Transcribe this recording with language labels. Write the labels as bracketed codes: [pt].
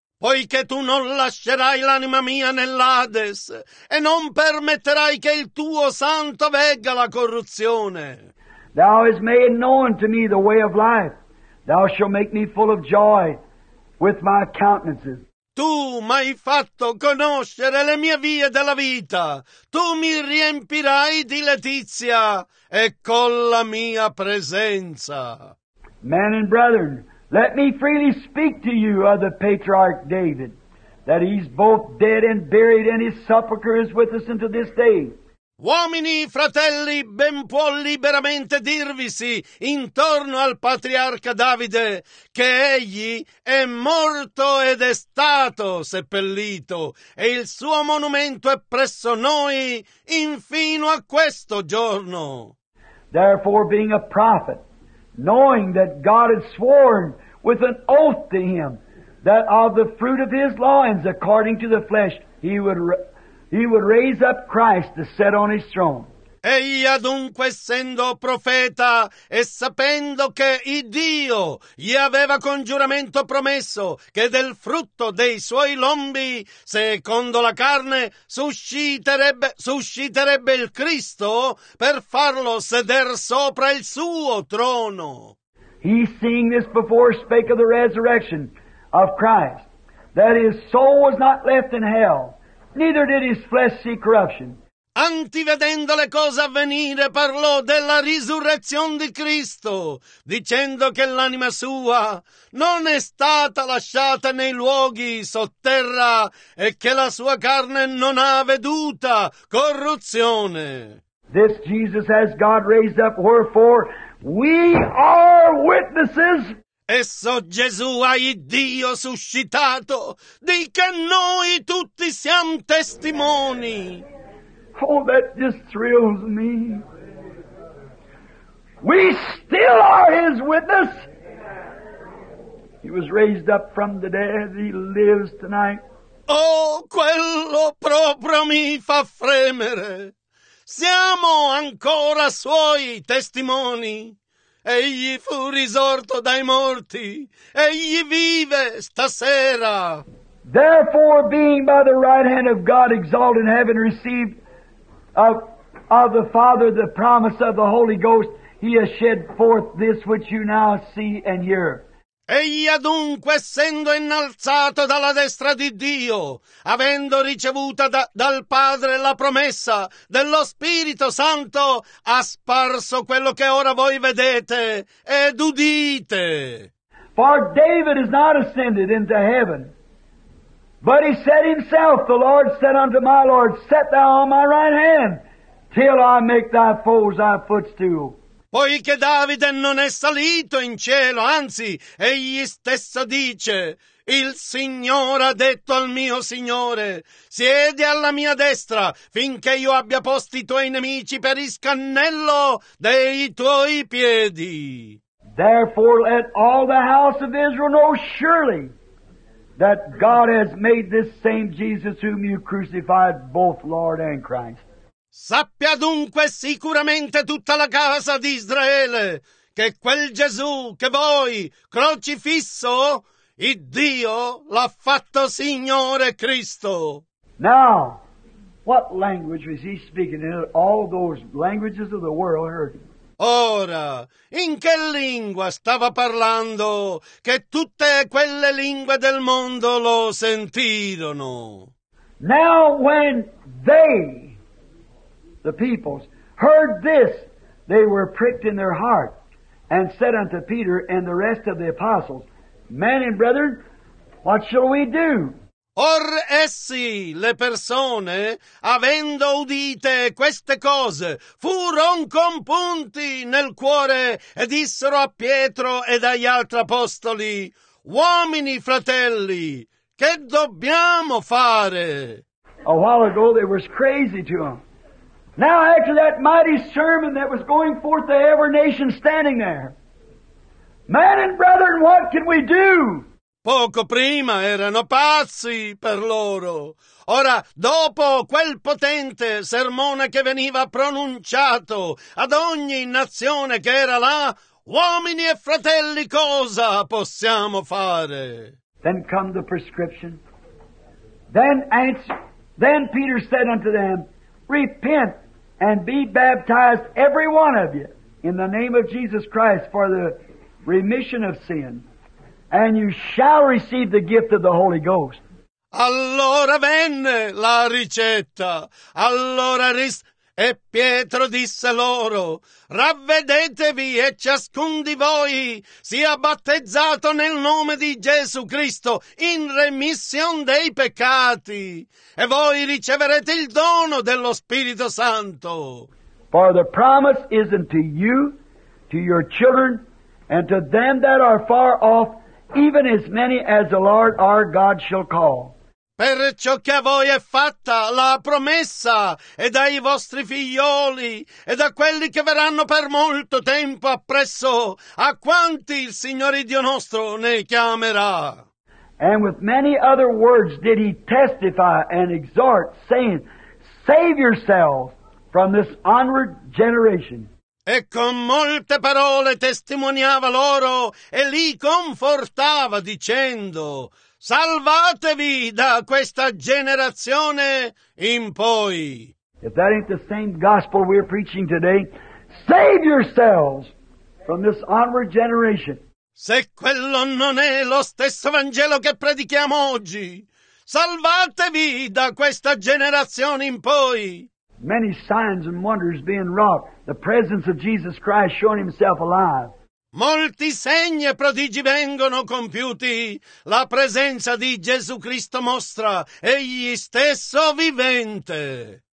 [it] Poiché tu non lascerai l'anima mia nell'Ades, e non permetterai che il tuo santo vegga la corruzione. [en] Thou hast made known to me the way of life. Thou shalt make me full of joy with my countenances. [it] Tu m'hai fatto conoscere le mie vie della vita. Tu mi riempirai di letizia e con la mia presenza. [en] Men and brethren, let me freely speak to you of the patriarch David, that he's both dead and buried, and his sepulcher is with us until this day. [it] Uomini, fratelli, ben può liberamente dirvisi intorno al patriarca Davide che egli è morto ed è stato seppellito e il suo monumento è presso noi infino a questo giorno. [en] Therefore, being a prophet, knowing that God had sworn with an oath to him that of the fruit of his loins, according to the flesh, he would raise up Christ to set on his throne. [it] Egli adunque, essendo profeta e sapendo che il Dio gli aveva con giuramento promesso che del frutto dei suoi lombi, secondo la carne, susciterebbe il Cristo per farlo seder sopra il suo trono. [en] He, seeing this before, spake of the resurrection of Christ, that his soul was not left in hell. Neither did his flesh see corruption. [it] antivedendo le cose avvenire, parlò della risurrezione di Cristo, dicendo che l'anima sua non è stata lasciata nei luoghi sotterra e che la sua carne non ha veduta corruzione. [en] This Jesus has God raised up, wherefore we are witnesses. [it] Esso Gesù ha Dio suscitato, di che noi tutti siamo testimoni. [en] Oh, that just thrills me. We still are His witness. He was raised up from the dead, He lives tonight. [it] Oh, quello proprio mi fa fremere. Siamo ancora Suoi testimoni. Egli fu risorto dai morti. Egli vive stasera. [en] Therefore, being by the right hand of God exalted in heaven, received of the Father the promise of the Holy Ghost, He has shed forth this which you now see and hear. [it] Egli adunque, essendo innalzato dalla destra di Dio, avendo ricevuta dal Padre la promessa dello Spirito Santo, ha sparso quello che ora voi vedete ed udite. [en] For David is not ascended into heaven, but he said himself, the Lord said unto my Lord, set thou on my right hand, till I make thy foes thy footstool. [it] Poiché Davide non è salito in cielo, anzi, egli stesso dice, il Signore ha detto al mio Signore, siedi alla mia destra finché io abbia posto i tuoi nemici per il scannello dei tuoi piedi. [en] Therefore let all the house of Israel know surely that God has made this same Jesus whom you crucified both Lord and Christ. [it] Sappia dunque sicuramente tutta la casa di Israele che quel Gesù che voi crocifisso, il Dio l'ha fatto Signore Cristo. [en] Now, what language was he speaking in? All those languages of the world heard him. [it] Ora, in che lingua stava parlando che tutte quelle lingue del mondo lo sentirono? [en] Now, when they, the peoples, heard this, they were pricked in their heart, and said unto Peter and the rest of the apostles, Men and brethren, what shall we do? [it] Or essi, le persone, avendo udite queste cose, furon compunti nel cuore, e dissero a Pietro ed agli altri apostoli, Uomini, fratelli, che dobbiamo fare? [en] A while ago they was crazy to them. Now after that mighty sermon that was going forth to every nation standing there, Man and brethren, what can we do? [it] Poco prima erano pazzi per loro. Ora, dopo quel potente sermone che veniva pronunciato ad ogni nazione che era là, uomini e fratelli, cosa possiamo fare? [en] Then come the prescription. Then Peter said unto them, Repent and be baptized, every one of you, in the name of Jesus Christ for the remission of sin, and you shall receive the gift of the Holy Ghost. [it] Allora venne la ricetta. Allora e Pietro disse loro, Ravvedetevi e ciascun di voi sia battezzato nel nome di Gesù Cristo in remissione dei peccati, e voi riceverete il dono dello Spirito Santo. [en] For the promise is unto you, to your children, and to them that are far off, even as many as the Lord our God shall call. [it] Perciò che a voi è fatta la promessa, e dai vostri figlioli, e da quelli che verranno per molto tempo appresso, a quanti il Signore Dio nostro ne chiamerà. [en] And with many other words did he testify and exhort, saying, Save yourselves from this onward generation. [it] E con molte parole testimoniava loro e li confortava dicendo, Salvatevi da questa generazione in poi. [en] If that ain't the same gospel we're preaching today, save yourselves from this onward generation. [it] Se quello non è lo stesso Vangelo che predichiamo oggi, salvatevi da questa generazione in poi. [en] many signs and wonders being wrought, the presence of Jesus Christ showing himself alive. [it] Molti segni e prodigi vengono compiuti, la presenza di Gesù Cristo mostra, egli stesso vivente.